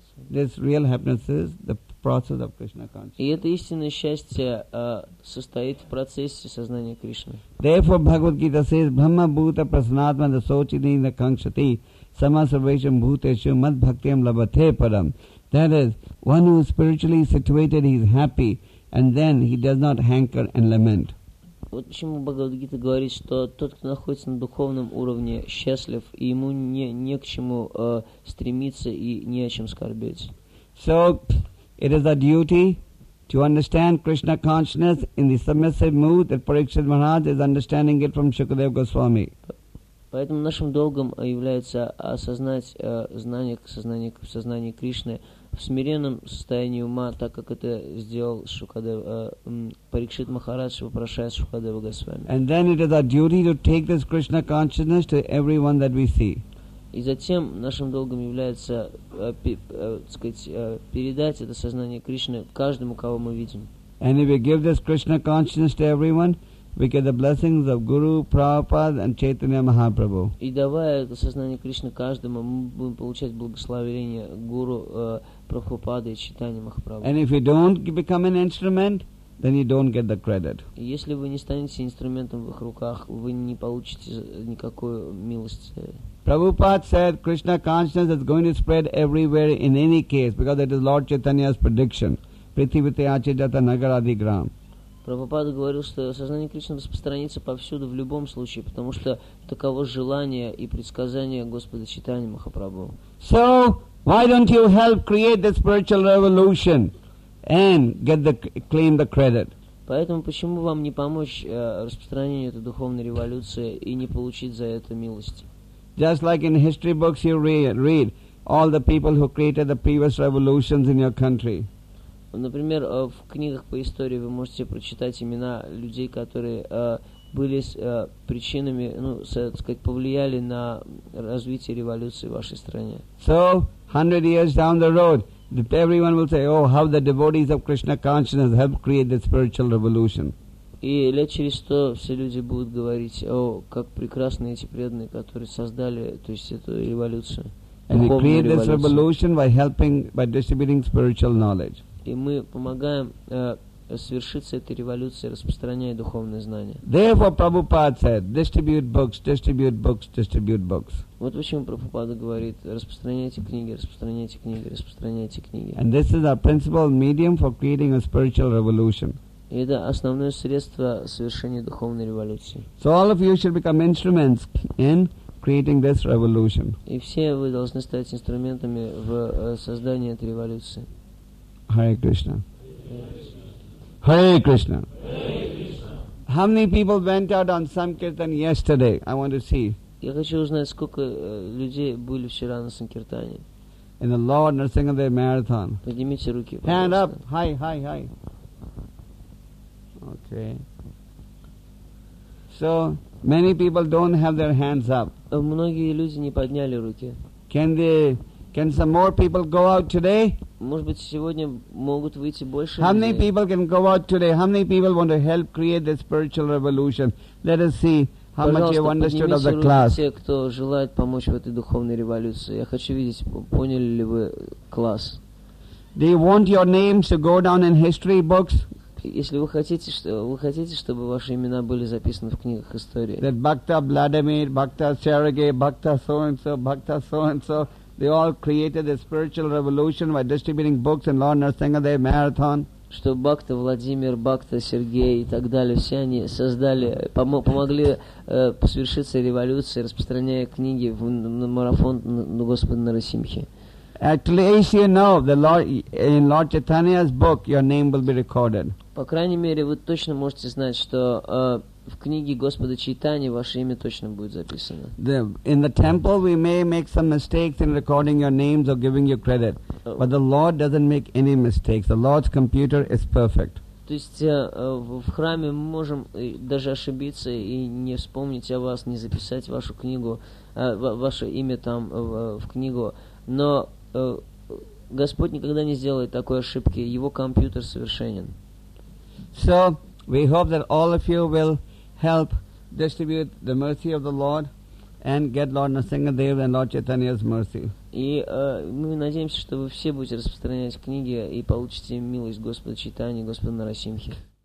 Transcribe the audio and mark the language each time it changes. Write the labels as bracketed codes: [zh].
[en] This real happiness is the process of Krishna consciousness. [ru] И это истинное счастье состоит в процессе сознания Кришны. [en] Therefore, Bhagavad Gita says, [sa] "Brahma bhuta prasanatma da sochi ni na kangshati samasarvesham bhuteshu mad bhaktiam labhate param." [en] That is, one who is spiritually situated, he is happy, and then he does not hanker and lament. [ru] Вот почему Бхагавад Гита говорит, что тот, кто находится на духовном уровне, счастлив, и ему не к чему стремиться и не о чем скорбеть. [en] So, it is a duty to understand Krishna consciousness in the submissive mood that Parikshit Maharaj is understanding it from Shukadeva Goswami. [ru] Поэтому нашим долгом является осознать сознание Кришны в смиренном состоянии ума, так как это сделал Парикшит Махарадж, вопрошая Шукадева Госвами. [en] And then it is our duty to take this Krishna consciousness to everyone that we see. [ru] И затем нашим долгом является, так сказать, передать это сознание Кришны каждому, кого мы видим. [en] And if we give this Krishna consciousness to everyone, we get the blessings of Guru, Prabhupada and Chaitanya Mahaprabhu. [ru] И давая это сознание Кришны каждому, мы будем получать благословение Гуру, Прабхупады и Чайтаньи Махапрабху. [en] And if you don't become an instrument, then you don't get the credit. [ru] Если вы не станете инструментом в их руках, вы не получите никакой милости. [en] Prabhupada said Krishna consciousness is going to spread everywhere in any case because it is Lord Chaitanya's prediction. [bn] Prithivite achidata nagaradigram. [ru] Прабхупада говорил, что сознание Кришны распространится повсюду в любом случае, потому что таково желание и предсказание Господа Чайтаньи Махапрабху. [en] So, why don't you help create the spiritual revolution and get the claim the credit? [ru] Поэтому почему вам не помочь распространению этой духовной революции и не получить за это милости? [en] Just like in history books you read all the people who created the previous revolutions in your country. [ru] Например, в книгах по истории вы можете прочитать имена людей, которые были причинами, ну, так сказать, повлияли на развитие революции в вашей стране. [en] So, 100 years down the road, everyone will say, oh, how the devotees of Krishna consciousness helped create the spiritual revolution. [ru] И лет через 100 все люди будут говорить, о, как прекрасны эти преданные, которые создали, то есть, эту революцию. [en] And they create this revolution by helping, by distributing spiritual knowledge. [ru] И мы помогаем свершиться этой революции, распространяя духовные знания. [en] Therefore, Prabhupada said, distribute books, distribute books, distribute books. [ru] Вот почему Прабхупада говорит, распространяйте книги, распространяйте книги, распространяйте книги. [en] And this is our principal medium for creating a spiritual revolution. [ru] И это основное средство совершения духовной революции. [en] So all of you should become instruments in creating this revolution. [ru] И все вы должны стать инструментами в создании этой революции. [en] Hare Krishna. Hare Krishna. Hare Krishna. How many people went out on Sankirtan yesterday? I want to see. [ru] Я хочу узнать, сколько людей были вчера на Санкиртане. [en] In the Lord Narasingadev Marathon. [ru] Поднимите руки. [en] Hand up. Hi, hi, hi. Okay. So, many people don't have their hands up. [ru] Многие люди не подняли руки. [en] Can some more people go out today? [ru] Может быть, сегодня могут выйти больше людей. [en] How many people can go out today? How many people want to help create the spiritual revolution? Let us see how much you have understood of the class. [ru] Те, кто желает помочь в этой духовной революции. Я хочу видеть, поняли ли вы класс. [en] Do you want your names to go down in history books? [ru] Если вы хотите, чтобы ваши имена были записаны в книгах истории. [en] That Bhakta Vladimir, Bhakta Sergey, Bhakta so-and-so, Bhakta so-and-so. They all created a spiritual revolution by distributing books in Lord Narasingadev Marathon. [ru] Что Бхакта Владимир, Бхакта Сергей и так далее, все они создали, помогли свершиться революции, распространяя книги в марафон Господа Нарасимхи. [en] At least you know the Lord, in Lord Chaitanya's book your name will be recorded. [ru] По крайней мере, вы точно можете знать, что в книге Господа Чайтани ваше имя точно будет записано. [en] In the temple we may make some mistakes in recording your names or giving you credit. But the Lord doesn't make any mistakes. The Lord's computer is perfect. [ru] То есть в храме мы можем даже ошибиться и не вспомнить о вас, не записать вашу книгу, ваше имя там в книгу. Но Господь никогда не сделает такой ошибки. Его компьютер совершенен. [en] So, we hope that all of you will help distribute the mercy of the Lord and get Lord Narasingadev and Lord Chaitanya's mercy. [ru] И мы надеемся, что вы все будете распространять книги и получите милость Господа Чайтаньи, Господа Нарасимхи.